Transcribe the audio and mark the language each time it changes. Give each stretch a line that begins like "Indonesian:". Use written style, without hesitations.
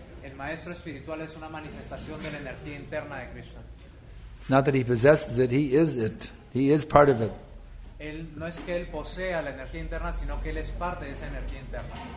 Spanish: El maestro espiritual es una manifestación de la energía interna de Krishna.
English: It's not that he possesses it, he is it. He is part of it.
Spanish: Él no es que él posea la energía interna, sino que él es parte de esa energía interna.